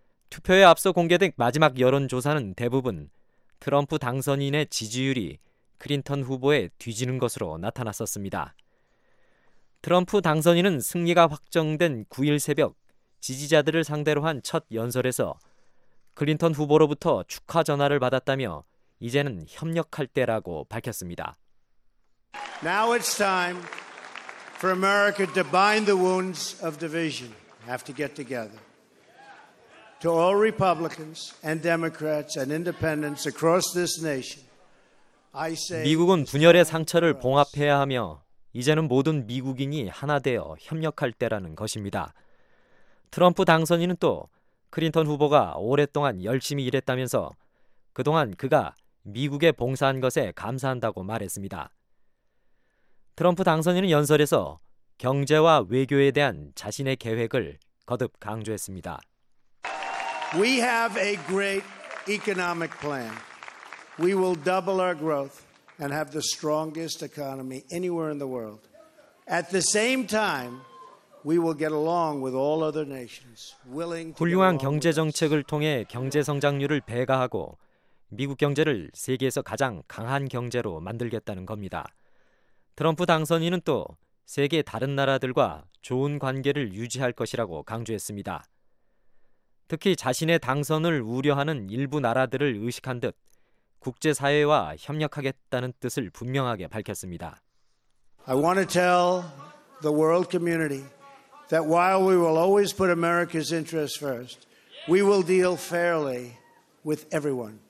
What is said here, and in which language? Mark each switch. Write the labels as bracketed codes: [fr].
[ko] 투표에 앞서 공개된 마지막 여론조사는 대부분 트럼프 당선인의 지지율이 클린턴 후보에 뒤지는 것으로 나타났었습니다. 트럼프 당선인은 승리가 확정된 9일 새벽 지지자들을 상대로 한 첫 연설에서 클린턴 후보로부터 축하 전화를 받았다며 이제는 협력할 때라고 밝혔습니다. [en] Now it's time for America to bind the wounds of division. Have to get together. To all Republicans and Democrats and Independents across this nation. I say [ko] 미국은 분열의 상처를 봉합해야 하며 이제는 모든 미국인이 하나 되어 협력할 때라는 것입니다. 트럼프 당선인은 또 클린턴 후보가 오랫동안 열심히 일했다면서 그동안 그가 미국에 봉사한 것에 감사한다고 말했습니다. 트럼프 당선인은 연설에서 경제와 외교에 대한 자신의 계획을 거듭 강조했습니다. [en] We have a great economic plan. We will double our growth and have the strongest economy anywhere in the world. At the same time, we will get along with all other nations. [ko] 훌륭한 경제 정책을 통해 경제 성장률을 배가하고 미국 경제를 세계에서 가장 강한 경제로 만들겠다는 겁니다. 트럼프 당선인은 또 세계 다른 나라들과 좋은 관계를 유지할 것이라고 강조했습니다. 특히 자신의 당선을 우려하는 일부 나라들을 의식한 듯 국제사회와 협력하겠다는 뜻을 분명하게 밝혔습니다. [en] I want to tell the world community that while we will always put America's interests first, we will deal fairly with everyone.